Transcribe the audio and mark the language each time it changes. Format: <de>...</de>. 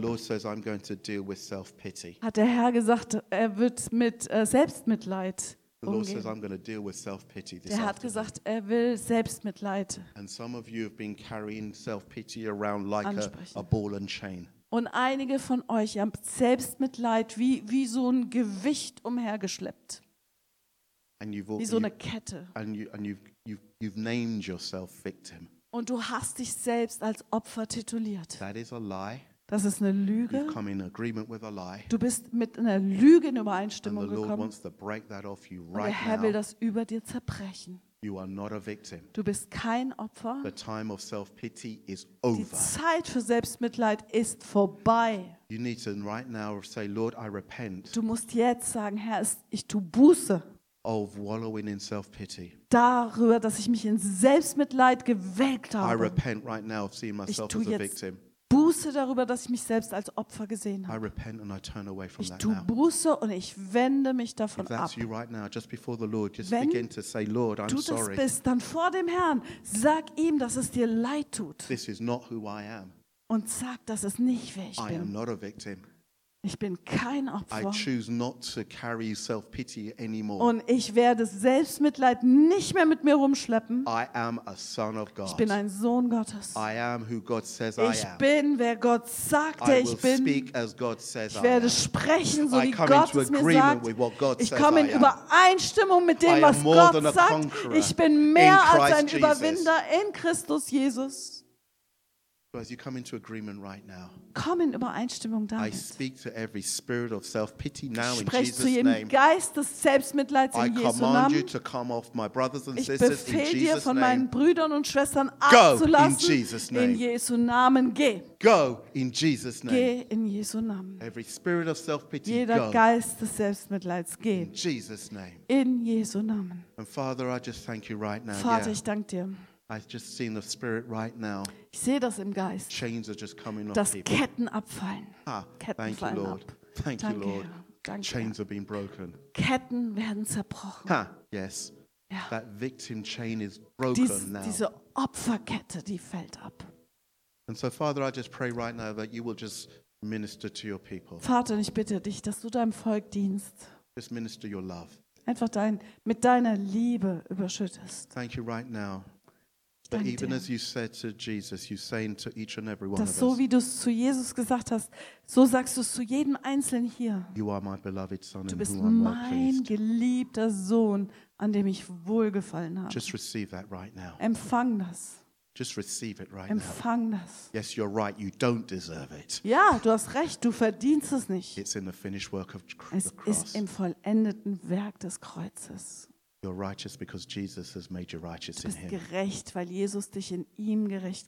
<en>the Lord says, I'm going to deal with self-pity.</en> <de>Hat der Herr gesagt, er wird mit Selbstmitleid</de> <en>the Lord says, I'm going to deal with self-pity this afternoon.</en> <de>Er hat gesagt, er will Selbstmitleid.</de> <en>And some of you have been carrying self-pity around like a ball and chain.</en> <de>Und einige von euch haben Selbstmitleid wie so ein Gewicht umhergeschleppt.</de> <en>And you've all,</en> <de>wie so eine Kette.</de> <en>And you've named yourself victim.</en> <de>Und du hast dich selbst als Opfer tituliert.</de> <en>That is a lie.</en> <de>Das ist eine Lüge.</de> <en>You've come in agreement with a lie.</en> <de>Du bist mit einer Lüge in Übereinstimmung</de> <en>and the Lord</en> <de>gekommen.</de> <en>Wants to break that off you</en> <de>und</de> <en>right</en> <de>der Herr</de> <en>now.</en> <de>Will das über dir zerbrechen.</de> <en>You are not a victim.</en> <de>Du bist kein Opfer.</de> <en>The time of self-pity is over.</en> <de>Die Zeit für Selbstmitleid ist vorbei.</de> <en>You need to right now say, Lord, I repent.</en> <de>Du musst jetzt sagen, Herr, ich tue Buße.</de> <en>Of wallowing in self-pity.</en> <de>Darüber, dass ich mich in Selbstmitleid gewälkt habe.</de> <en>I repent right now of seeing myself</en> <de>ich tue jetzt</de> <en>as a victim.</en> <de>Buße darüber, dass ich mich selbst als Opfer gesehen habe.</de> <en>I repent and I turn away from</en> <de>ich</de> <en>that</en> <de>tue</de> <en>now.</en> <de>Buße und ich wende mich davon</de> <en>if that's</en> <de>ab.</de> <en>You right now, just before the Lord, just</en> <de>wenn</de> <en>begin to say, Lord, I'm</en> <de>du</de> <en>sorry.</en> <de>Das bist, dann vor dem Herrn, sag ihm, dass es dir leid tut.</de> <en>This is not who I am.</en> <de>und sagt, dass es nicht wer ich bin.</de> <en>I am not a victim.</en> <de>Ich bin kein Opfer.</de> <en>I choose not to carry self-pity anymore.</en> <de>Und ich werde Selbstmitleid nicht mehr mit mir rumschleppen.</de> <en>I am a son of God.</en> <de>Ich bin ein Sohn Gottes.</de> <en>I am who God says</en> <de>ich</de> <en>I am.</en> <de>Bin, wer Gott sagt, der ich bin.</de> <en>Speak as God says</en> <de>ich werde</de> <en>I am.</en> <de>Sprechen, so wie Gott es mir sagt.</de> <en>With what God</en> <de>ich komme in</de> <en>I am.</en> <de>Übereinstimmung mit dem, was</de> <en>I am more</en> <de>Gott</de> <en>than a</en> <de>sagt.</de> <en>Conqueror</en> <de>ich bin mehr als ein Jesus. Überwinder in Christus Jesus.</de> <en>As you come into agreement right now,</en> <de>komm in Übereinstimmung damit.</de> <en>I speak to every spirit of self-pity now in Jesus'</en> <de>Sprich zu jedem Geist des Selbstmitleids in Jesu Namen.</de> <en>I command you to come off my brothers and sisters in Jesus' name.</en> <de>Ich befehle dir, von meinen Brüdern und Schwestern abzulassen.</de> <en>Go in Jesus' name.</en> <de>In Jesu Namen geh.</de> <en>Go in Jesus' name.</en> <de>Geh in Jesu Namen.</de> <en>Every spirit of self-pity, go.</en> <de>Jeder Geist des Selbstmitleids, geh.</de> <en>In Jesus' name.</en> <de>In Jesu Namen.</de> <en>And Father, I just thank you right now.</en> <de>Vater, ich danke dir.</de> <en>I've just seen the spirit right now.</en> <de>Ich sehe das im Geist.</de> <en>Chains are just coming off.</en> <de>Dass</de> <en>people.</en> <de>Ketten abfallen. Ah, Ketten</de> <en>thank</en> <de>fallen</de> <en>you, Lord.</en> <de>Ab.</de> <en>Thank</en> <de>danke,</de> <en>you, Lord.</en> <de>Danke,</de> <en>chains have been broken.</en> <de>Ketten werden zerbrochen.</de> <en>Ha, yes.</en> <de>Ja.</de> <en>That victim chain is broken</en> <de>Dies,</de> <en>now.</en> <de>Diese Opferkette, die fällt ab.</de> <en>And so, Father, I just pray right now that you will just minister to your people.</en> <de>Vater, ich bitte dich, dass du deinem Volk dienst.</de> <en>Just minister your love.</en> <de>Einfach dein mit deiner Liebe überschüttest.</de> <en>Thank you right now. But even as you said to Jesus, you're saying to each and every one</en> <de>dass</de> <en>of us.</en> <de>So wie du es zu Jesus gesagt hast, so sagst du es zu jedem Einzelnen hier.</de> <en>You are my beloved son,</en> <de>du bist mein geliebter Sohn, an dem ich wohlgefallen habe.</de> <en>Just receive that right now.</en> <de>Empfang das.</de> <en>Just receive it right</en> <de>empfang</de> <en>now.</en> <de>Das.</de> <en>Yes, you're right. You don't deserve it.</en> <de>Ja, du hast recht. Du verdienst es nicht.</de> <en>It's in the finished work of the cross.</en> <de>Es ist im vollendeten Werk des Kreuzes.</de> <en>You're righteous because Jesus has made you righteous in him.</en> <de>Du bist gerecht, weil Jesus dich in ihm gerecht</de>